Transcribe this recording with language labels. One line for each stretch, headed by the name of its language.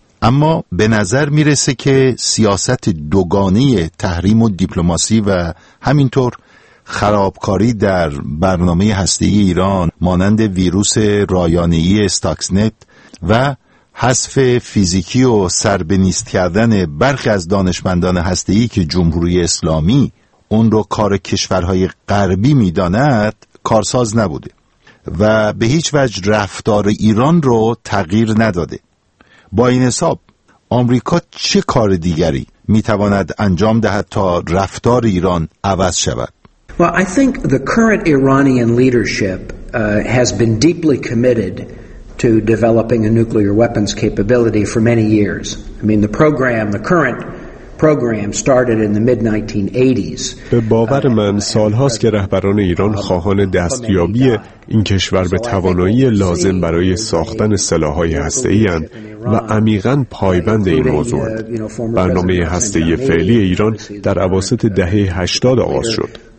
Persian: اما به نظر میرسه که سیاست دوگانه تحریم و دیپلماسی و همینطور خرابکاری در برنامه هسته‌ای ایران مانند ویروس رایانه‌ای استاکسنت و حذف فیزیکی و سربنیست کردن برخی از دانشمندان هسته‌ای که جمهوری اسلامی اون رو کار کشورهای غربی میداند کارساز نبوده و به هیچ وجه رفتار ایران رو تغییر نداده. با این حساب آمریکا چه کار دیگری میتواند انجام دهد تا رفتار ایران عوض شود؟
English: Well, I think the current Iranian leadership has been deeply committed to developing a nuclear weapons capability for many years. I mean, the current program started in the mid-1980s.
Persian: به باور من سالهاست که رهبران ایران خواهان دستیابی این کشور به توانایی لازم برای ساختن سلاح‌های هسته‌ای‌اند و عمیقاً پایبند این موضوعند. برنامه هسته‌ای فعلی ایران در اواسط دهه 80 آغاز شد.